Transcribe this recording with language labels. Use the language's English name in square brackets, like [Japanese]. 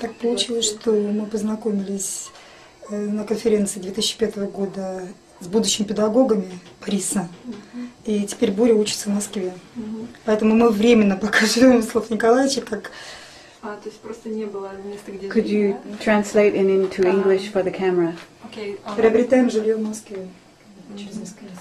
[Russian] Так получилось, что мы познакомились на конференции 2005 года с будущими педагогами Бориса. И теперь Боря учится в Москве. Поэтому мы временно пока живем в Слав Николаевича, как... А, то есть просто не было места, где... [English] Could you translate in into English for the camera? Okay. [Russian] Приобретаем жилье в Москве через месяц.